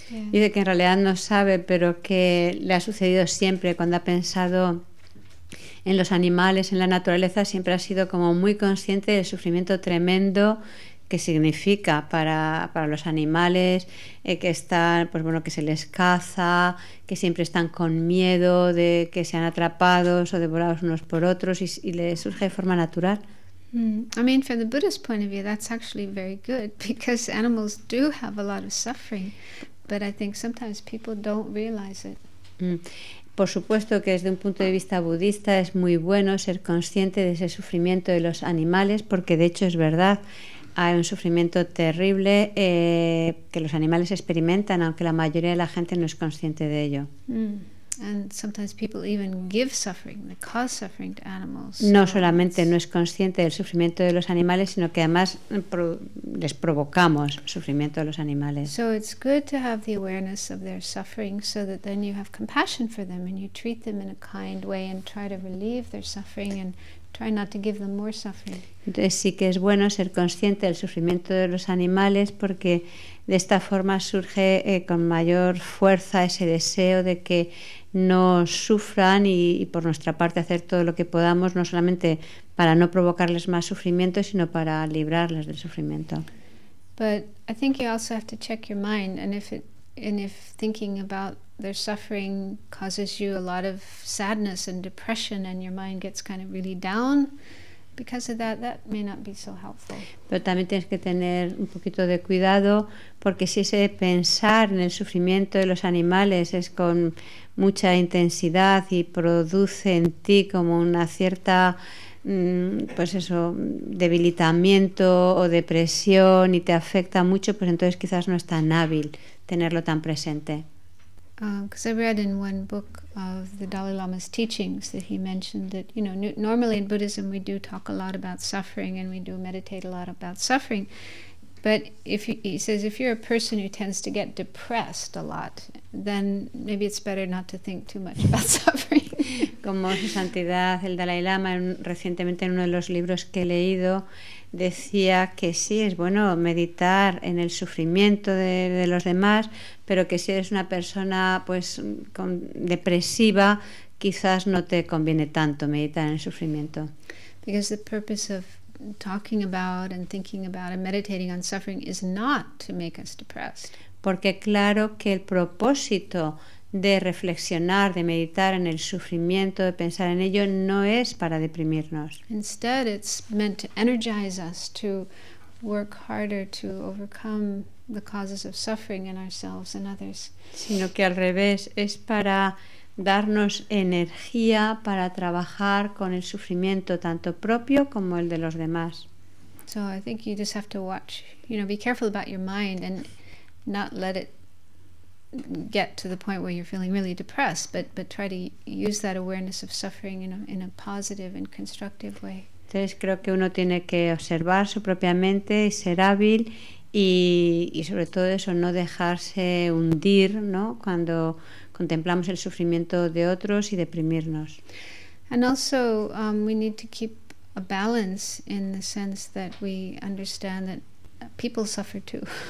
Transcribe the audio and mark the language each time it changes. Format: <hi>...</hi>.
<es>Dice que en realidad no sabe, pero que le ha sucedido siempre cuando ha pensado en los animales, en la naturaleza, siempre ha sido como muy consciente del sufrimiento tremendo que significa para los animales, que están, pues bueno, que se les caza, que siempre están con miedo de que sean atrapados o devorados unos por otros, y le surge de forma natural.</es> <en>I mean, from the Buddhist point of view, that's actually very good because animals do have a lot of suffering, but I think sometimes people don't realize it.</en> <es>Por supuesto que desde un punto de vista budista es muy bueno ser consciente de ese sufrimiento de los animales, porque de hecho es verdad, hay un sufrimiento terrible que los animales experimentan, aunque la mayoría de la gente no es consciente de ello.</es> <en>And sometimes people even give suffering, they cause suffering to animals.</en> <es>No solamente no es consciente del sufrimiento de los animales, sino que además les provocamos sufrimiento a los animales.</es> <en>So it's good to have the awareness of their suffering so that then you have compassion for them and you treat them in a kind way and try to relieve their suffering and try not to give them more suffering.</en> <es>Entonces sí que es bueno ser consciente del sufrimiento de los animales porque de esta forma surge con mayor fuerza ese deseo de que no sufran y por nuestra parte hacer todo lo que podamos, no solamente para no provocarles más sufrimiento, sino para librarles del sufrimiento.</es> <en>But I think you also have to check your mind, and if thinking about their suffering causes you a lot of sadness and depression and your mind gets kind of really down because of that may not be so helpful.</en> <es>Pero también tienes que tener un poquito de cuidado porque si ese pensar en el sufrimiento de los animales es con mucha intensidad y produce en ti como una cierta pues eso, debilitamiento o depresión y te afecta mucho, pues entonces quizás no es tan hábil tenerlo tan presente.</es> <en>Because I read in one book of the Dalai Lama's teachings that he mentioned that, you know, normally in Buddhism we do talk a lot about suffering and we do meditate a lot about suffering. But he says if you're a person who tends to get depressed a lot, then maybe it's better not to think too much about suffering.</en> <es>Como su santidad, el Dalai Lama, recientemente en uno de los libros que he leído, decía que sí, es bueno meditar en el sufrimiento de los demás, pero que si eres una persona pues depresiva, quizás no te conviene tanto meditar en el sufrimiento.</es> <en>Because the purpose of talking about and thinking about and meditating on suffering is not to make us depressed.</en> <es>Porque claro que el propósito de reflexionar, de meditar en el sufrimiento, de pensar en ello, no es para deprimirnos.</es> <en>Instead, it's meant to energize us to work harder to overcome the causes of suffering in ourselves and others.</en> <es>Sino que al revés, es para darnos energía para trabajar con el sufrimiento tanto propio como el de los demás.</es> <en>So I think you just have to watch, you know, be careful about your mind and not let it get to the point where you're feeling really depressed, but try to use that awareness of suffering in a positive and constructive way.</en> <es>Entonces creo que uno tiene que observar su propia mente y ser hábil Y sobre todo eso, no dejarse hundir, ¿no? Cuando contemplamos el sufrimiento de otros y deprimirnos.</es> <en>And also we need to keep a balance in the sense that we understand that people suffer too.</en>